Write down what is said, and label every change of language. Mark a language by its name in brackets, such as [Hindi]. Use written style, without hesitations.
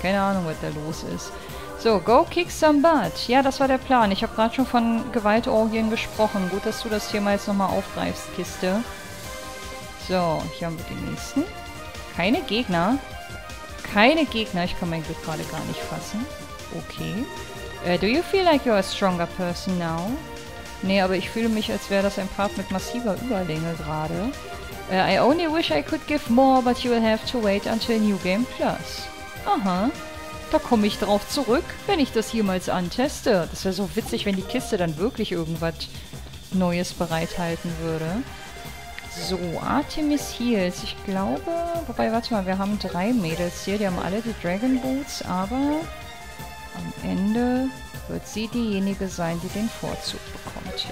[German] Keine Ahnung, was da los ist. So, [English] go kick some butt. [German] Ja, das war der Plan. Ich habe gerade schon von Gewaltorgien gesprochen. Gut, dass du das hier mal jetzt nochmal aufgreifst, Kiste. So, hier haben wir den nächsten. Keine Gegner. Keine Gegner. Ich kann mein Glück gerade gar nicht fassen. Okay. [English] Do you feel like you're a stronger person now? [German] Nee, aber ich fühle mich, als wäre das ein Part mit massiver Überlänge gerade. [English] I only wish I could give more, but you will have to wait until New Game Plus. Aha. [German] Da komme ich drauf zurück, wenn ich das jemals anteste. Das wäre so witzig, wenn die Kiste dann wirklich irgendwas Neues bereithalten würde. So, Artemis Heals. Ich glaube, wobei, warte mal, wir haben drei Mädels hier. Die haben alle die Dragon Boots, aber am Ende wird sie diejenige sein, die den Vorzug bekommt.